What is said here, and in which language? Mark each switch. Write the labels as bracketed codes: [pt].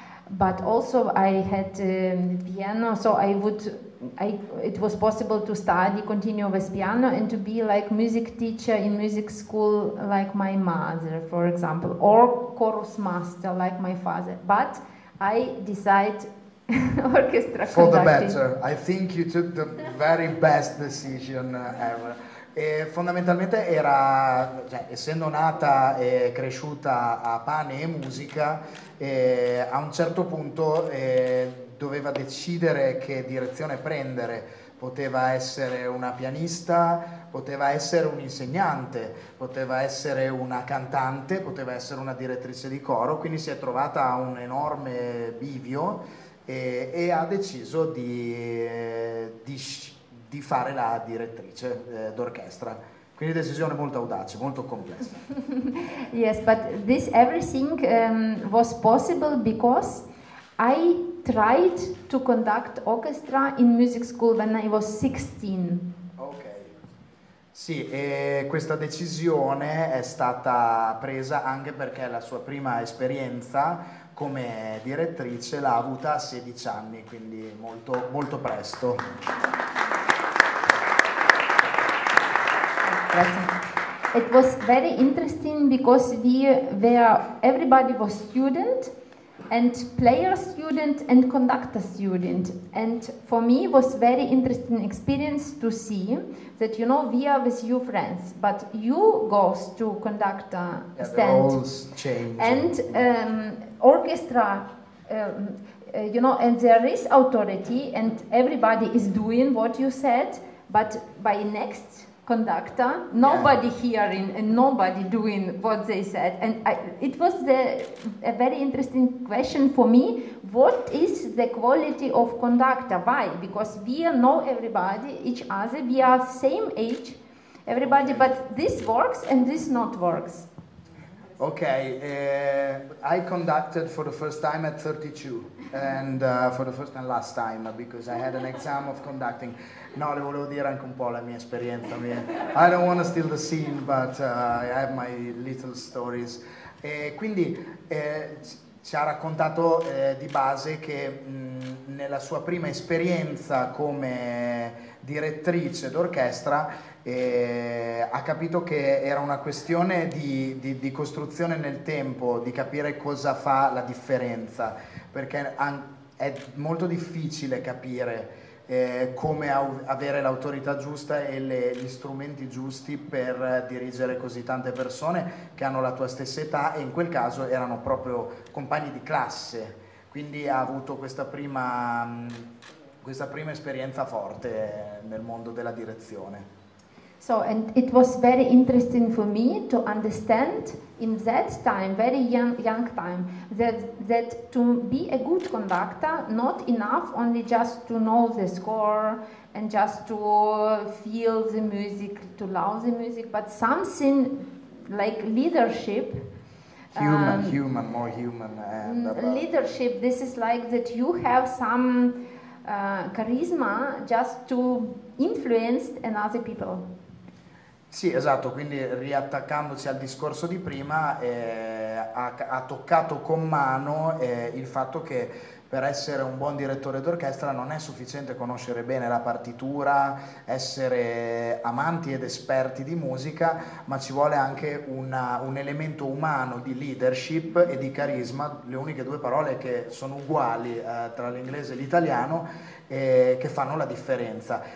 [en] But also I had piano, so it was possible to study, continue with piano and to be like music teacher in music school like my mother, for example, or chorus master like my father. But I decide orchestra for the better. I think you took the very best decision ever. [it] E fondamentalmente era, cioè, essendo nata e cresciuta a pane e musica, a un certo punto doveva decidere che direzione prendere. Poteva essere una pianista, poteva essere un insegnante, poteva essere una cantante, poteva essere una direttrice di coro. Quindi si è trovata a un enorme bivio e ha deciso di fare la direttrice d'orchestra. Quindi decisione molto audace, molto complessa. [en] Yes, but this everything was possible because I tried to conduct orchestra in music school when I was 16. Ok. [it] Sì, e questa decisione è stata presa anche perché la sua prima esperienza come direttrice l'ha avuta a 16 anni, quindi molto, molto presto. Grazie. [en] It was very interesting because we were, everybody was student and player student and conductor student. And for me was very interesting experience to see that, you know, we are with you friends, but you go to conductor stand. Yeah, the roles change. And orchestra, you know, and there is authority and everybody is doing what you said, but by next conductor, nobody hearing and nobody doing what they said. And it was a very interesting question for me. What is the quality of conductor? Why? Because we know everybody, each other, we are same age, everybody, but this works and this not works. Okay, I conducted for the first time at 32 and for the first and last time because I had an exam of conducting. [it] No, le volevo dire anche un po' la mia esperienza. [en] I don't want to steal the scene, but I have my little stories. [it] E quindi ci ha raccontato di base che nella sua prima esperienza come direttrice d'orchestra ha capito che era una questione di costruzione nel tempo, di capire cosa fa la differenza, perché è molto difficile capire come avere l'autorità giusta e gli strumenti giusti per dirigere così tante persone che hanno la tua stessa età e in quel caso erano proprio compagni di classe, quindi ha avuto questa prima esperienza forte nel mondo della direzione. [en] So, and it was very interesting for me to understand in that time, very young time, that to be a good conductor, not enough only just to know the score and just to feel the music, to love the music, but something like leadership. Human, more human. Leadership, this is like that you have some charisma just to influence another people. [it] Sì, esatto, quindi riattaccandoci al discorso di prima, ha toccato con mano il fatto che per essere un buon direttore d'orchestra non è sufficiente conoscere bene la partitura, essere amanti ed esperti di musica, ma ci vuole anche un elemento umano di leadership e di carisma, le uniche due parole che sono uguali tra l'inglese e l'italiano, che fanno la differenza.